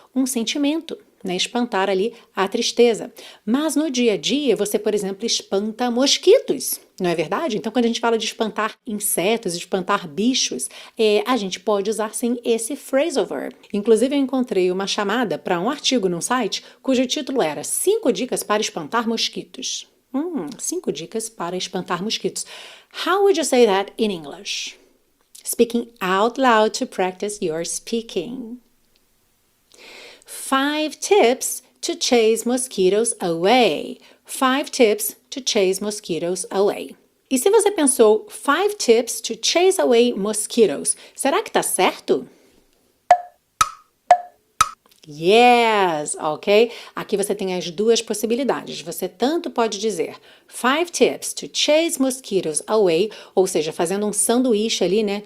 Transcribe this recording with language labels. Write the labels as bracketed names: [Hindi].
[Portuguese] Um sentimento, né? Espantar ali a tristeza. Mas no dia a dia, você, por exemplo, espanta mosquitos, não é verdade? Então, quando a gente fala de espantar insetos, espantar bichos, a gente pode usar, sim, esse phrasal verb. Inclusive, eu encontrei uma chamada para um artigo num site cujo título era 5 dicas para espantar mosquitos. 5 dicas para espantar mosquitos. [English] How would you say that in English? Speaking out loud to practice your speaking. 5 tips to chase mosquitoes away. 5 tips to chase mosquitoes away. [Portuguese] E se você pensou [English] 5 tips to chase away mosquitoes, [Portuguese] será que tá certo? [English] Yes, ok? [Portuguese] Aqui você tem as duas possibilidades. Você tanto pode dizer [English] 5 tips to chase mosquitoes away, [Portuguese] ou seja, fazendo um sanduíche ali, né?